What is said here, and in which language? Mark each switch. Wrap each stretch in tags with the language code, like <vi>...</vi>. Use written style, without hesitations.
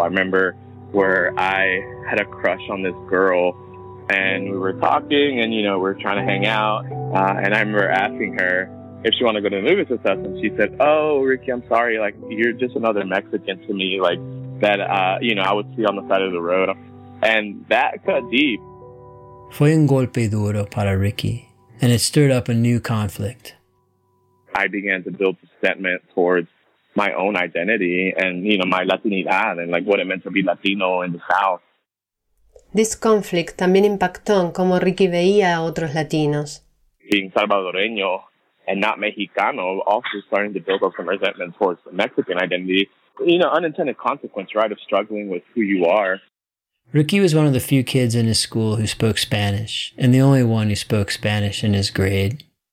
<en>I remember where I had a crush on this girl and we were talking and, you know, we're trying to hang out. And I remember asking her if she wanted to go to the movies with us. And she said, oh, Ricky, I'm sorry. Like, you're just another Mexican to me, like that, you know, I would see on the side of the road. And that cut deep.</en> <es>Fue un golpe duro para Ricky.</es> <en>And it stirred up a new conflict. I began to build resentment towards my own identity and, you know, my Latinidad and like what it meant to be Latino in the South. This conflict</en> <es>también impactó en cómo Ricky veía a otros latinos.</es> <en>Being salvadoreño and not Mexicano, also starting to build up some resentment towards the Mexican identity. You know, unintended consequence, right, of struggling with who you are. Ricky was one of the few kids in his school who spoke Spanish and the only one who spoke Spanish in his grade.</en>